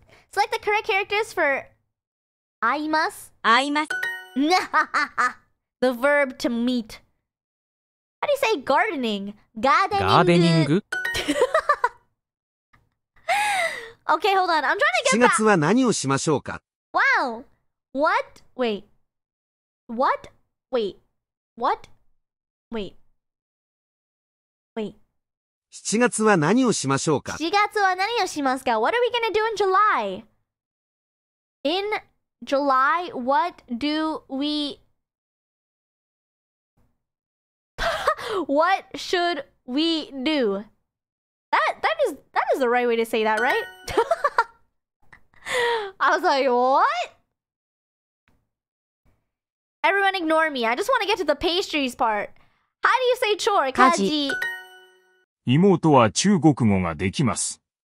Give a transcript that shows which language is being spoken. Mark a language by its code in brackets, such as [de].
[en] Select the correct characters for... [ja] 合います. [en] The verb to meet. How do you say gardening? Gardening. Okay, hold on. I'm trying to get back. [ja] 7月は何をしましょうか? [en] Wow. What? [ja] 7月は何をしましょうか? 7月は何をしますか? [en] What are we going to do in July? In... July, what do we... What should we do? That is the right way to say that, right? I was like, what? Everyone ignore me. I just want to get to the pastries part. How do you say chore? [ja] Kaji. 妹は中国語ができます.